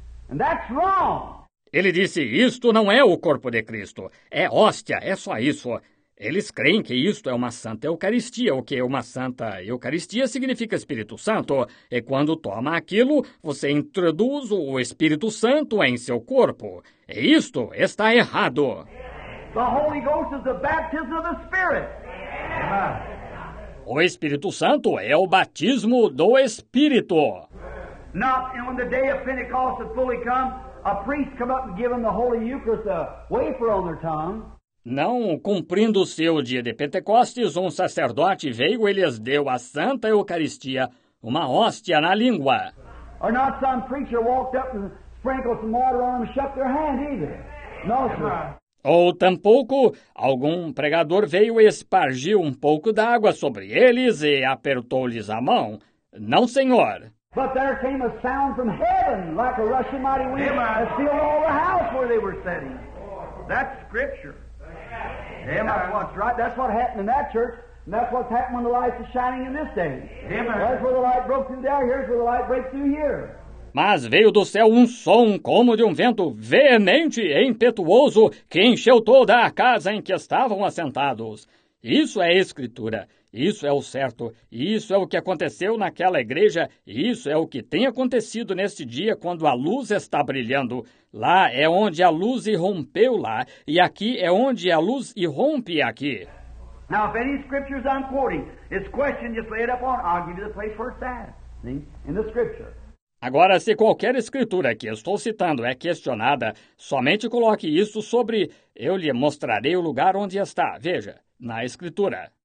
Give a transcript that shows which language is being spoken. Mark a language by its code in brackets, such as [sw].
[en] And that's wrong. [pt] Ele disse, isto não é o corpo de Cristo. É hóstia, é só isso. Eles creem que isto é uma santa eucaristia. O que é uma santa eucaristia significa Espírito Santo. E quando toma aquilo, você introduz o Espírito Santo em seu corpo. E isto está errado. [en] The Holy Ghost is the baptism of the Spirit. Amen. [pt] O Espírito Santo é o batismo do Espírito. [en] Not on the day of Pentecost had fully come, a priest come up and give them the Holy Eucharist, a wafer on their tongue. [pt] Não cumprindo-se o dia de Pentecostes, um sacerdote veio e lhes deu a Santa Eucaristia, uma hóstia na língua. [en] Or not some preacher walked up and sprinkled some water on them and shook their hand either. No, sir. [pt] Ou tampouco, algum pregador veio e espargiu um pouco d'água sobre eles e apertou-lhes a mão. Não, Senhor. [en] But there came a sound from heaven, like a rushing mighty wind, Amen. That filled all the house where they were sitting. That's scripture. Amen. That's what's right. That's what happened in that church. And that's what's happened when the light is shining in this day. Amen. That's where the light broke through there. Here's where the light breaks through here. [pt] Mas veio do céu um som como de um vento veemente e impetuoso que encheu toda a casa em que estavam assentados. Isso é escritura, isso é o certo, isso é o que aconteceu naquela igreja, isso é o que tem acontecido neste dia quando a luz está brilhando. Lá é onde a luz irrompeu lá, e aqui é onde a luz irrompe aqui. [en] Now, if any scriptures I'm quoting, it's question, just lay it up on, I'll give you the place where it's at, see, in the scripture. [pt] Agora, se qualquer escritura que estou citando é questionada, somente coloque isso sobre, eu lhe mostrarei o lugar onde está. Veja, na escritura.